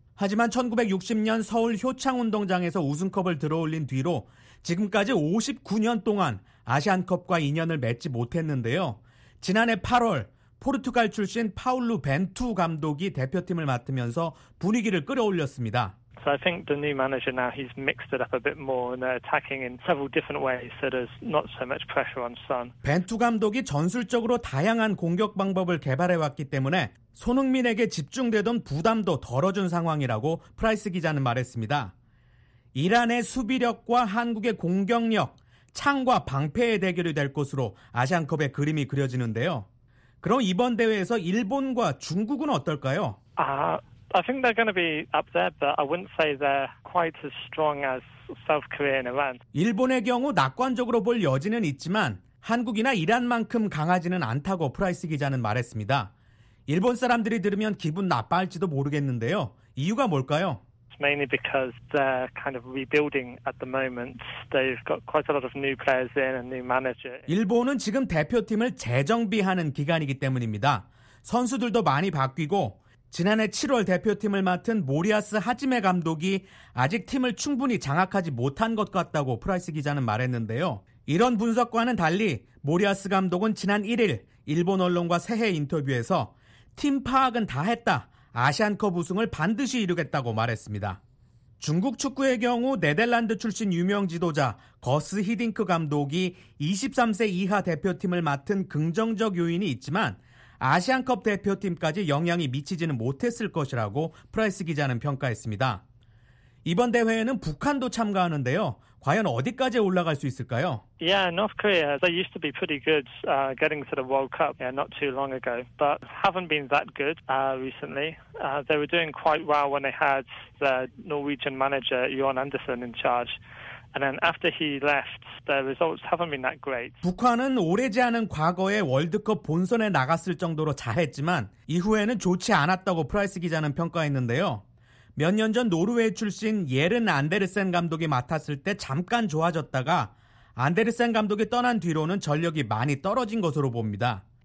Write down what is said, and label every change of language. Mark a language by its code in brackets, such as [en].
[ko] 하지만 1960년 서울 효창운동장에서 우승컵을 들어올린 뒤로 지금까지 59년 동안 아시안컵과 인연을 맺지 못했는데요. 지난해 8월 포르투갈 출신 파울루 벤투 감독이 대표팀을 맡으면서 분위기를 끌어올렸습니다. [en] So I think the new manager now, he's mixed it up a bit more and they're attacking in several different ways, so there's not so much pressure on Son. [ko] 벤투 감독이 전술적으로 다양한 공격 방법을 개발해 왔기 때문에 손흥민에게 집중되던 부담도 덜어준 상황이라고 프라이스 기자는 말했습니다. 이란의 수비력과 한국의 공격력, 창과 방패의 대결이 될 것으로 아시안컵의 그림이 그려지는데요. 그럼 이번 대회에서 일본과 중국은 어떨까요? [en] I think they're going to be up there, but I wouldn't say they're quite as strong as South Korea and Iran. [ko] 일본의 경우 낙관적으로 볼 여지는 있지만 한국이나 이란만큼 강하지는 않다고 프라이스 기자는 말했습니다. 일본 사람들이 들으면 기분 나빠할지도 모르겠는데요. 이유가 뭘까요? [en] Mainly because they're kind of rebuilding at the moment. They've got quite a lot of new players in and new manager. [ko] 일본은 지금 대표팀을 재정비하는 기간이기 때문입니다. 선수들도 많이 바뀌고 지난해 7월 대표팀을 맡은 모리아스 하지메 감독이 아직 팀을 충분히 장악하지 못한 것 같다고 프라이스 기자는 말했는데요. 이런 분석과는 달리 모리아스 감독은 지난 1일 일본 언론과 새해 인터뷰에서 팀 파악은 다 했다. 아시안컵 우승을 반드시 이루겠다고 말했습니다. 중국 축구의 경우 네덜란드 출신 유명 지도자 거스 히딩크 감독이 23세 이하 대표팀을 맡은 긍정적 요인이 있지만 아시안컵 대표팀까지 영향이 미치지는 못했을 것이라고 프라이스 기자는 평가했습니다. 이번 대회에는 북한도 참가하는데요. 과연 어디까지 올라갈 수 있을까요? [en] Yeah, North Korea. They used to be pretty good getting to the World Cup not too long ago, but haven't been that good recently. They were doing quite well when they had the Norwegian manager Jon Andersen in charge. And then after he left, the results haven't been that great. [ko] 북한은 오래지 않은 과거에 월드컵 본선에 나갔을 정도로 잘했지만 이후에는 좋지 않았다고 프라이스 기자는 평가했는데요. 몇 년 전 노르웨이 출신 예른 안데르센 감독이 맡았을 때 잠깐 좋아졌다가 안데르센 감독이 떠난 뒤로는 전력이 많이 떨어진 것으로 봅니다.